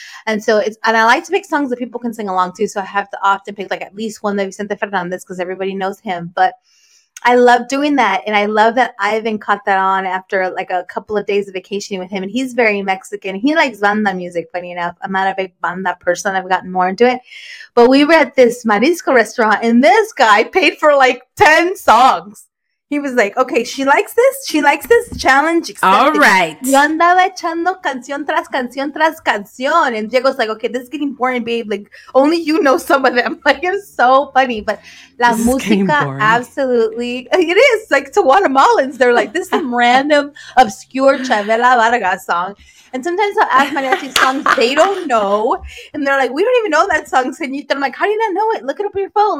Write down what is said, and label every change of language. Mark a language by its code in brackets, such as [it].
[en] And so it's, and I like to pick songs that people can sing along to, so I have to often pick, like, at least one that Vicente Fernandez, because everybody knows him, but I love doing that, and I love that Ivan caught that on after, like, a couple of days of vacationing with him, and he's very Mexican. He likes banda music, funny enough. I'm not a big banda person. I've gotten more into it, but we were at this marisco restaurant, and this guy paid for, like, 10 songs. He was like, okay, she likes this. She likes this challenge. Accepted. All right. [es] Yo andaba echando canción tras canción tras canción. [en] And Diego's like, okay, this is getting boring, babe. Like, only you know some of them. Like, it's so funny. But [es] la música, [en] absolutely. It is. Like, to Guatemalans, they're like, this is some random, obscure Chavela Vargas song. And sometimes I'll ask mariachi songs they don't know. And they're like, we don't even know that song, señorita. I'm like, how do you not know it? Look it up on your phone.